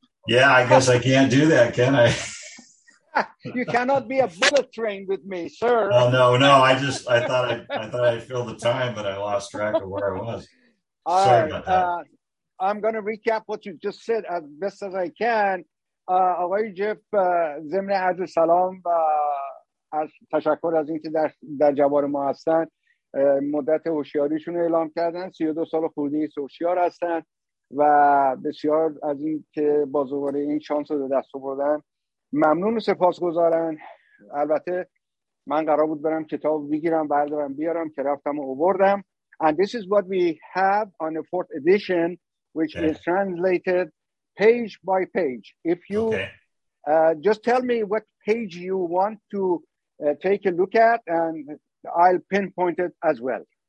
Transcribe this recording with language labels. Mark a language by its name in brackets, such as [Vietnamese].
[English] Yeah, I guess I can't do that, can I? You cannot be a bullet train with me, sir. Oh, no. I thought I'd fill the time, but I lost track of where I was. Sorry about that. I'm going to recap what you just said as best as I can. [Persian] آقای جف ضمن عرض سلام و از تشکر از اینکه در جوار ما هستن مدت هوشیاریشون رو اعلام کردن 32 سال خورده ای هوشیار هستن و بسیار از اینکه بازوباره این شانس رو دست آوردن ممنون و سپاسگزارن. البته من قرار بود برم کتاب بگیرم بردارم بیارم که رفتم و آوردم. [English] And this is what we have on the fourth edition which is translated page by page. If you just tell me what page you want to take a look at and I'll pinpoint it as well.